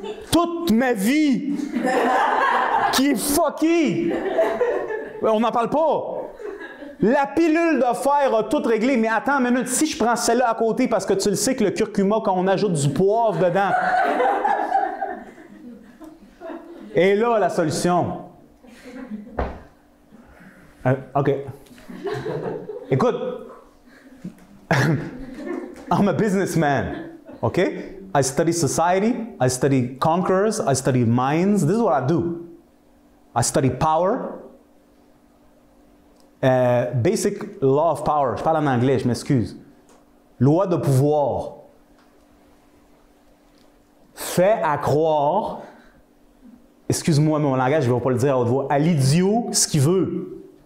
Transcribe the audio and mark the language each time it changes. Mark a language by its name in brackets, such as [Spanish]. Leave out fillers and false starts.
[French] Toute ma vie qui est fuckée! On n'en parle pas! La pilule de fer a tout réglé, mais attends une minute, si je prends celle-là à côté parce que tu le sais que le curcuma, quand on ajoute du poivre dedans, et là, la solution. OK. [English] Écoute, I'm a businessman, OK? I study society, I study conquerors, I study minds. This is what I do. I study power. [French] Basic law of power, je parle en anglais, je m'excuse. Loi de pouvoir. Fait à croire, excuse-moi mon langage, je ne vais pas le dire à haute voix, à l'idiot ce qu'il veut.